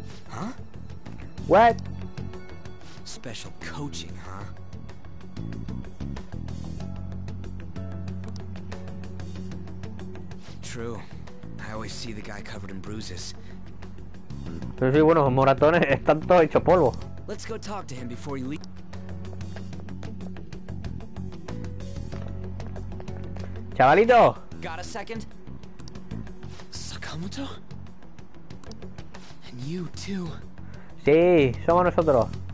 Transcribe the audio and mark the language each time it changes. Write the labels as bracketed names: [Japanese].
[English] Huh? What? Special coaching, huh? True. I always see the guy covered in bruises. [Spanish] Pero sí, bueno, los moratones están todos hechos polvo. [English] Let's go talk to him before you leave. [Spanish] Chavalito. [English] Got a second? Sakamoto? And you too. [Spanish] Sí, somos nosotros.